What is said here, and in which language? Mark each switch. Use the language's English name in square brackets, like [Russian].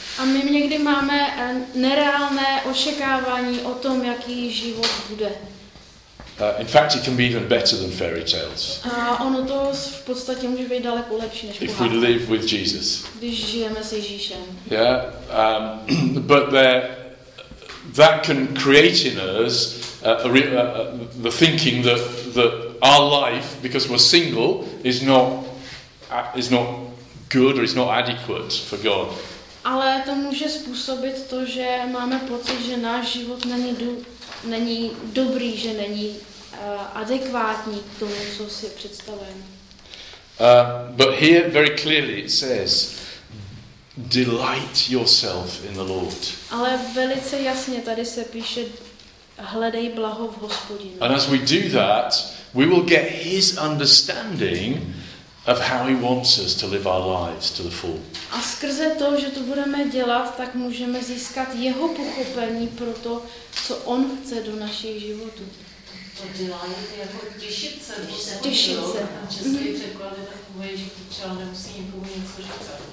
[Czech] A my někdy máme nereálné očekávání o tom, jaký život bude. [English] In fact, it can be even better than fairy tales. [Czech] A ono to v podstatě může být daleko lepší než pohádky. [English] If we live with Jesus. [Czech] Když žijeme s Ježíšem. [English] Yeah. But that can create in us the thinking that our life, because we're single, is not good or is not adequate for God. [Czech] Ale to může způsobit to, že máme pocit, že náš život není dobrý, že není adekvátní k tomu, co si představujeme. [English] But here very clearly it says, delight yourself in the Lord. [Czech] Ale velice jasně tady se píše, Hledej blaho v Hospodinu. [English] And as we do that, we will get his understanding of how he wants us to live our lives to the full. [Czech] A skrze to, že to budeme dělat, tak můžeme získat jeho pochopení pro to, co on chce do našich životů. To dělají jako těšit se, když se podělou. Český překlad je takový, že to třeba nemusí někomu něco říkat.